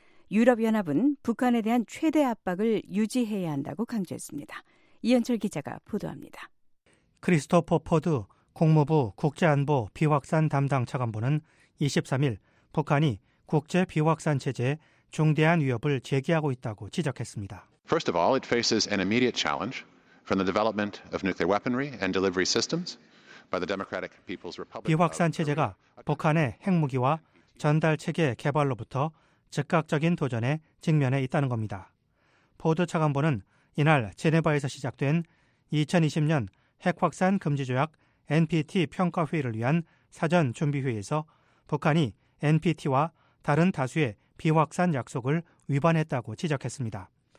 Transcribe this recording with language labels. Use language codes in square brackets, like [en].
[ko] 유럽 연합은 북한에 대한 최대 압박을 유지해야 한다고 강조했습니다. 이현철 기자가 보도합니다. 크리스토퍼 포드 국무부 국제안보 비확산 담당 차관보는 23일 북한이 국제 비확산 체제에 중대한 위협을 제기하고 있다고 지적했습니다. [en] First of all, it faces an immediate challenge from the development of nuclear weaponry and delivery systems by the Democratic People's Republic. [ko] 비확산 체제가 북한의 핵무기와 전달 체계 개발로부터 즉각적인 도전에 직면해 있다는 겁니다. 포드 차관보는 이날 제네바에서 시작된 2020년 핵확산 금지 조약 NPT 평가 회의를 위한 사전 준비 회의에서 북한이 NPT와 다른 다수의 비확산 약속을 위반했다고 지적했습니다.